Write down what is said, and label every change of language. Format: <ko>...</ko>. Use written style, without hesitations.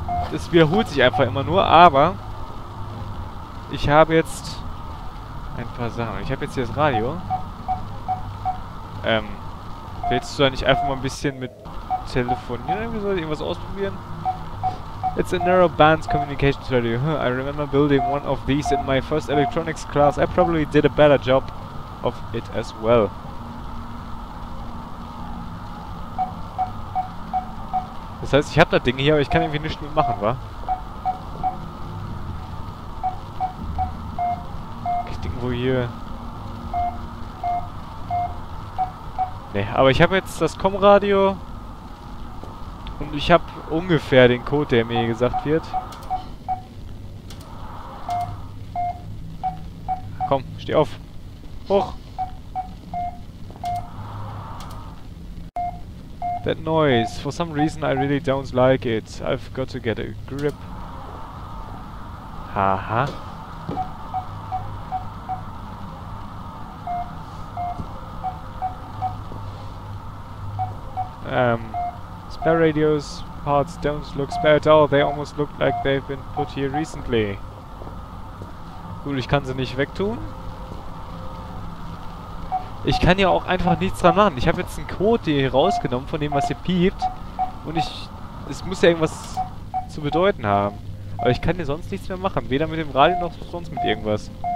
<de>Das wiederholt sich einfach immer nur, aber ich habe jetzt ein paar Sachen. Ich habe jetzt hier das Radio. Willst du da nicht einfach mal ein bisschen mit telefonieren? Wie soll ich irgendwas ausprobieren?</de> <en>It's a narrow band communication radio. I remember building one of these in my first electronics class. I probably did a better job of it as well.</en> <de>Das heißt, ich habe da Dinge hier, aber ich kann irgendwie nichts mit machen, wa? Hier. Ne, aber ich habe jetzt das Com-Radio und ich habe ungefähr den Code, der mir gesagt wird. Komm, steh auf. Hoch.</de> <en>That noise. For some reason I really don't like it. I've got to get a grip. Haha. Spare radios parts don't look spare at all. They almost look like they've been put here recently.</en> <de>Gut, ich kann sie nicht wegtun. Ich kann ja auch einfach nichts dran machen. Ich habe jetzt einen Code hier rausgenommen von dem, was hier piept. Und ich... Es muss ja irgendwas zu bedeuten haben. Aber ich kann hier sonst nichts mehr machen. Weder mit dem Radio noch sonst mit irgendwas.</de>